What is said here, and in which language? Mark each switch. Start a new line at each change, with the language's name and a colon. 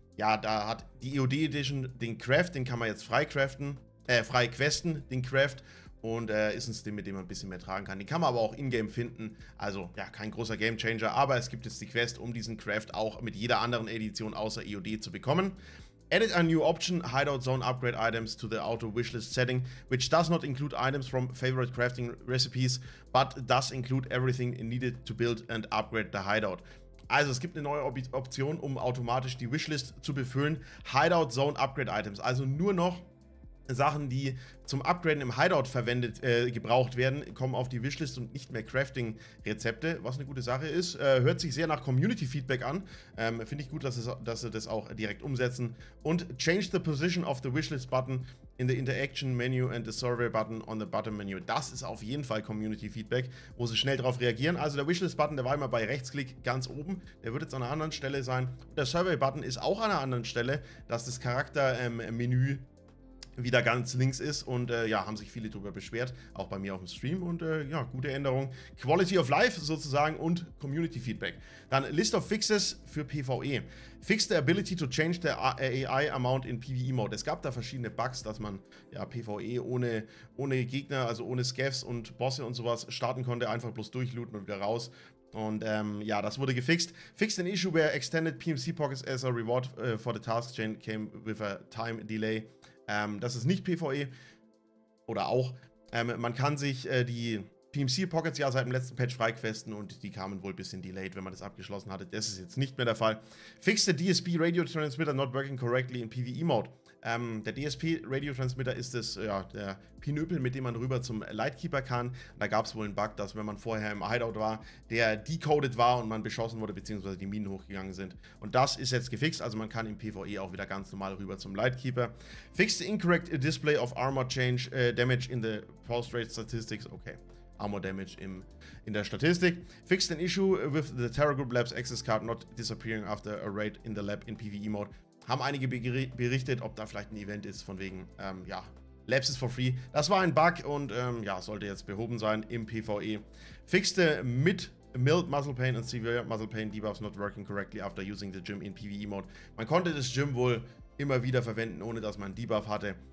German: Ja, da hat die EOD Edition den Craft, den kann man jetzt frei questen, den Craft. Und ist ein Stim, mit dem man ein bisschen mehr tragen kann. Den kann man aber auch in-game finden. Also, ja, kein großer Game-Changer. Aber es gibt jetzt die Quest, um diesen Craft auch mit jeder anderen Edition außer EOD zu bekommen.
English: Added a new option, Hideout Zone Upgrade Items to the Auto Wishlist Setting, which does not include items from favorite crafting recipes, but does include everything needed to build and upgrade the Hideout.
German: Also, es gibt eine neue Option, um automatisch die Wishlist zu befüllen. Hideout Zone Upgrade Items, also nur noch Sachen, die zum Upgraden im Hideout verwendet, gebraucht werden, kommen auf die Wishlist und nicht mehr Crafting-Rezepte, was eine gute Sache ist. Hört sich sehr nach Community-Feedback an. Finde ich gut, dass sie das auch direkt umsetzen.
English: Und change the position of the Wishlist-Button in the Interaction-Menu and the Survey-Button on the Button-Menu.
German: Das ist auf jeden Fall Community-Feedback, wo sie schnell darauf reagieren. Also der Wishlist-Button, der war immer bei Rechtsklick ganz oben. Der wird jetzt an einer anderen Stelle sein. Der Survey-Button ist auch an einer anderen Stelle, dass das Charakter-Menü wieder ganz links ist und ja, haben sich viele darüber beschwert, auch bei mir auf dem Stream und ja, gute Änderung. Quality of Life sozusagen und Community Feedback. Dann List of Fixes für PvE.
English: Fix the ability to change the AI amount in PvE Mode.
German: Es gab da verschiedene Bugs, dass man ja PvE ohne Gegner, also ohne Scavs und Bosse und sowas starten konnte, einfach bloß durchlooten und wieder raus. Und ja, das wurde gefixt.
English: Fixed an issue where extended PMC pockets as a reward for the task chain came with a time delay.
German: Das ist nicht PvE oder auch. Man kann sich die PMC Pockets ja seit dem letzten Patch freiquesten und die kamen wohl ein bisschen delayed, wenn man das abgeschlossen hatte. Das ist jetzt nicht mehr der Fall.
English: Fixed the DSP Radio Transmitter not working correctly in PvE Mode.
German: Der DSP Radio Transmitter ist das, ja, der Pinöpel, mit dem man rüber zum Lightkeeper kann. Da gab es wohl einen Bug, dass wenn man vorher im Hideout war, der decoded war und man beschossen wurde, beziehungsweise die Minen hochgegangen sind. Und das ist jetzt gefixt, also man kann im PvE auch wieder ganz normal rüber zum Lightkeeper.
English: Fixed the incorrect display of armor change damage in the pulse rate statistics. Okay.
German: Armor Damage in der Statistik.
English: Fixed an issue with the Terra Group Labs Access Card not disappearing after a raid in the lab in PvE Mode.
German: Haben einige berichtet, ob da vielleicht ein Event ist, von wegen, ja,
English: Labs is for free.
German: Das war ein Bug und ja, sollte jetzt behoben sein im PvE.
English: Fixed the mid Mild Muscle Pain and Severe Muscle Pain Debuffs not working correctly after using the Gym in PvE Mode.
German: Man konnte das Gym wohl immer wieder verwenden, ohne dass man einen Debuff hatte.